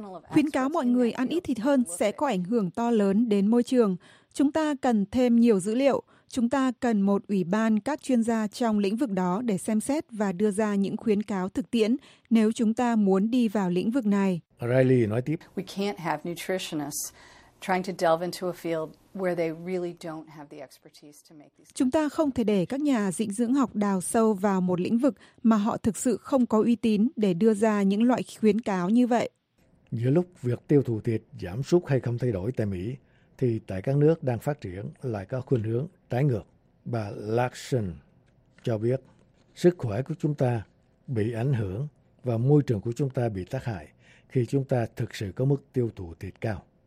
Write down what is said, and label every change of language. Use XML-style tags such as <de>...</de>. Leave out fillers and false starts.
<vi>khuyến cáo mọi người ăn ít thịt hơn sẽ có ảnh hưởng to lớn đến môi trường. Chúng ta cần thêm nhiều dữ liệu. Chúng ta cần một ủy ban các chuyên gia trong lĩnh vực đó để xem xét và đưa ra những khuyến cáo thực tiễn nếu chúng ta muốn đi vào lĩnh vực này. Riley nói tiếp,</vi> <en>we can't have nutritionists trying to delve into a field where they really don't have the expertise to make these.</en> <vi>Chúng ta không thể để các nhà dinh dưỡng học đào sâu vào một lĩnh vực mà họ thực sự không có uy tín để đưa ra những loại khuyến cáo như vậy. Giữa lúc việc tiêu thụ thịt giảm sút hay không thay đổi tại Mỹ, thì tại các nước đang phát triển lại có khuynh hướng trái ngược. Bà Larson cho biết, sức khỏe của chúng ta bị ảnh hưởng và môi trường của chúng ta bị tác hại khi chúng ta thực sự có mức tiêu thụ thịt cao.</vi>